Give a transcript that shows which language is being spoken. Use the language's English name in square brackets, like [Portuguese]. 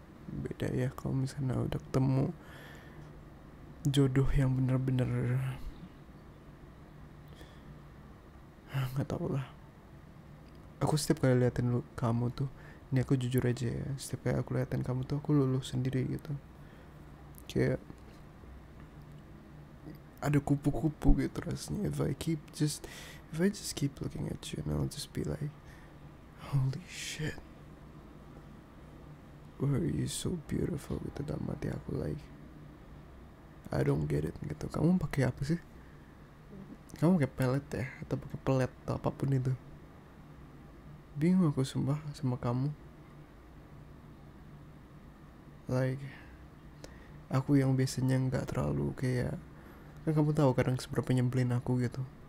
[Indonesian] Beda ya kalau misalnya udah ketemu jodoh yang bener-bener gak tau lah. Aku setiap kali liatin lu, kamu tuh, ini aku jujur aja ya, setiap kali aku liatin kamu tuh aku luluh sendiri gitu, kayak ada kupu-kupu gitu rasanya. [English] If I just keep looking at you and I'll just be like, holy shit, why are you so beautiful [Indonesian] gitu dalam hati aku, [English] like I don't get it gitu. [Indonesian] Kamu pakai apa sih? Kamu pakai pelet ya atau pakai pelet atau apapun itu? Bingung aku sumpah sama kamu. Like, aku yang biasanya nggak terlalu kayak, kan kamu tahu kadang seberapa nyebelin aku gitu.